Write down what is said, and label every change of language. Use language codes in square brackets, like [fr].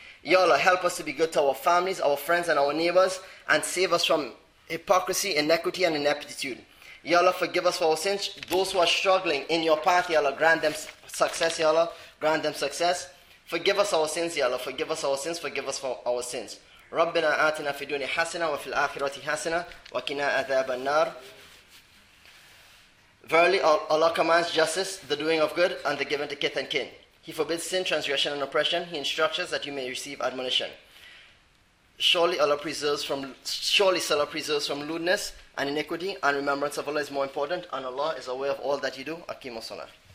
[en] Ya Allah, help us to be good to our families, our friends and our neighbors and save us from hypocrisy, inequity and ineptitude. Ya Allah, forgive us for our sins. Those who are struggling in your path, Ya Allah, grant them success, Ya Allah, grant them success. Forgive us our sins, Ya Allah, forgive us our sins, forgive us for our sins. [ar] ربنا آتنا في الدنيا حسنة وفي الآخرة حسنة وقنا عذاب النار. [en] Verily, Allah commands justice, the doing of good, and the giving to kith and kin. He forbids sin, transgression, and oppression. He instructs us that you may receive admonition. Surely Allah preserves from lewdness and iniquity, and remembrance of Allah is more important, and Allah is aware of all that you do. Aqimu salah.